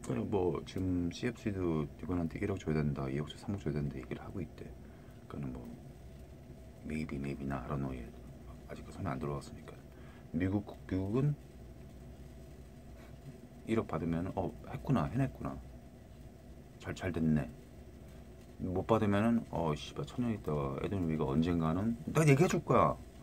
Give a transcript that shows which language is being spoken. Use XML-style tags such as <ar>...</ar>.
<ko>뭐 지금 CFC도 이번한테 1억 줘야 된다, 2억 줘, 3억 줘야 된다 얘기를 하고 있대. 그거는 뭐</ko> <en>maybe not, I don't know yet.</en> <ko>아직 그 손에 안 들어갔으니까. 미국은 1억 받으면 했구나, 해냈구나, 잘 됐네. 못 받으면은 씨발 천년 있다가 애들 위가 언젠가는 내가 얘기해 줄 거야.</ko>